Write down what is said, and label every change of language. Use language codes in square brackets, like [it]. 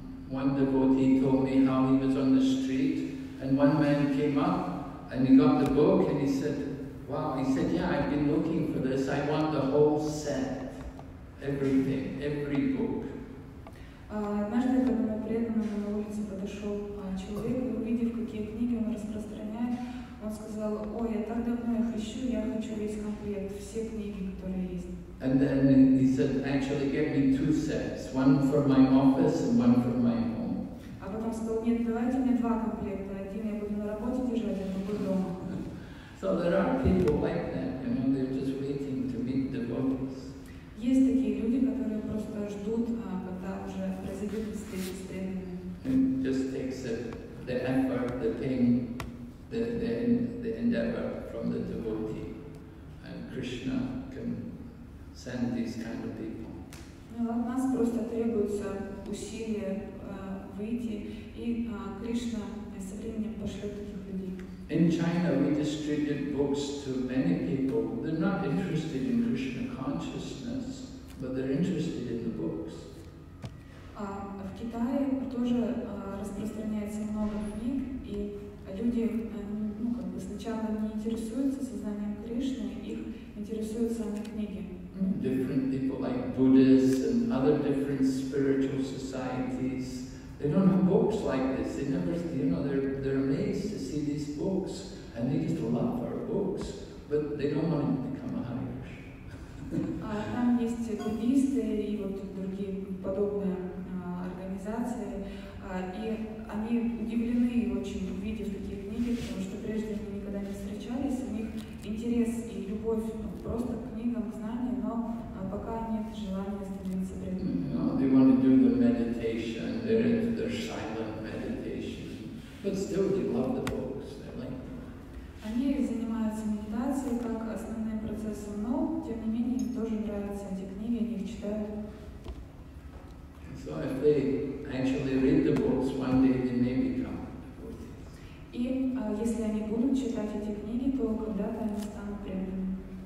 [en] One devotee told me how he was on the street, and one man came up, and he got the book, and he said, "Wow!" He said, "Yeah, I've been looking for this. I want the whole set, everything, every book." [ru] Однажды к одному преданному на улице подошел человек, увидев, какие книги он распространяет, он сказал: "Ой, я так давно их ищу, я хочу весь комплект, все книги, которые есть." [en] And then he said, "Actually, get me two sets, one for my office and one for my home." [ru] А потом сказал: "Нет, давайте мне два комплекта, один я буду на работе держать, а другой дома." [en] So there are people like that, you know, they're just waiting to meet the devotees. [ru] Есть такие люди, которые просто ждут, когда уже произойдет встреча с преданными. [en] It just takes the effort, the pain, the endeavor from the devotee, and Krishna can send these kind of people. [ru] Но от нас просто требуется усилие выйти, и Кришна со временем пошлет таких людей. [en] In China, we distribute books to many people. They're not interested in Krishna consciousness, but they're interested in the books. [ru] В Китае тоже распространяется много книг, и люди, ну как бы сначала не интересуются сознанием Кришны, их интересуют сами книги. [en] Different people like Buddhists and other different spiritual societies. They don't have books like this. They never, you know, they're amazed to see these books, and they just love our books, but they don't want to become a Hare Krishna. [ru] Там есть буддисты и вот другие подобные организации, и они удивлены очень, увидев такие книги, потому что прежде они никогда не встречались, у них интерес и любовь просто к книгам, к знаниям, но пока нет желания становиться преданными. [en] They're into their silent meditation, but still they love the books. They like them. [ru] Они занимаются медитацией как основным процессом, но тем не менее им тоже нравятся эти книги, они их читают. [en] So if they actually read the books, one day they may become devotees. [ru] И если они будут читать эти книги, то когда-то они станут преданными.